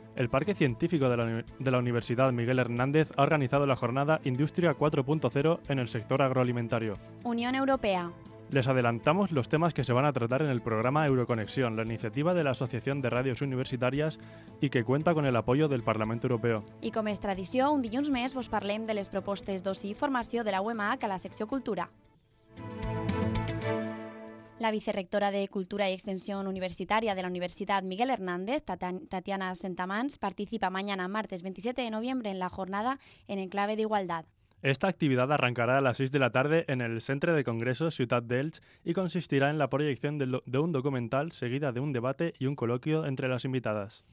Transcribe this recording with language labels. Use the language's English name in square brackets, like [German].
[Spanish] El Parque Científico de la Universidad Miguel Hernández ha organizado la jornada Industria 4.0 en el sector agroalimentario. Unión Europea. Les adelantamos los temas que se van a tratar en el programa Euroconexión, la iniciativa de la Asociación de Radios Universitarias y que cuenta con el apoyo del Parlamento Europeo. Y como es tradición, [Catalan] un dilluns més vos parlem de les propostes d'oci i formació de la UMH a la secció Cultura. [Spanish] La vicerrectora de Cultura y Extensión Universitaria de la Universidad Miguel Hernández, Tatiana Sentamans, participa mañana, martes 27 de noviembre, en la jornada En Enclave de Igualdad. Esta actividad arrancará a las 6 de la tarde en el Centre de Congresos Ciutat d'Elx y consistirá en la proyección de un documental seguida de un debate y un coloquio entre las invitadas.